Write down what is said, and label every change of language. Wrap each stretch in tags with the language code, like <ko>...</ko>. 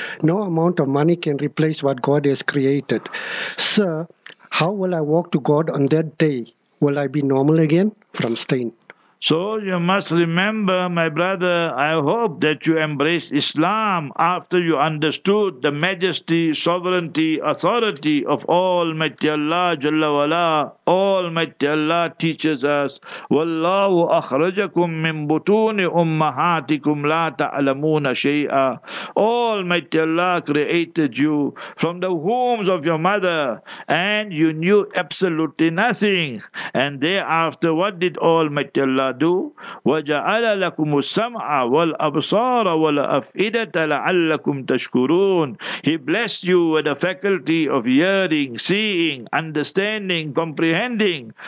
<en>No amount of money can replace what God has created. Sir, how will I walk to God on that day? Will I be normal again? From Stain. So you must remember, my brother, I hope that you embrace Islam after you understood the majesty, sovereignty, authority of Almighty Allah Jalla Wala. Almighty Allah teaches us,</en> <ar>وَاللَّهُ أَخْرَجَكُمْ مِنْ بُطُونِ أُمَّهَاتِكُمْ لَا تَعْلَمُونَ شَيْئًا.</ar> <en>Almighty Allah created you from the wombs of your mother and you knew absolutely nothing. And thereafter, what did Almighty Allah do?</en> <ar>وَجَعَلَ لَكُمُ السَّمْعَ وَالْأَبْصَارَ وَالْأَفْئِدَةَ لَعَلَّكُمْ تَشْكُرُونَ.</ar> <en>He blessed you with the faculty of hearing, seeing, understanding, comprehending.</en>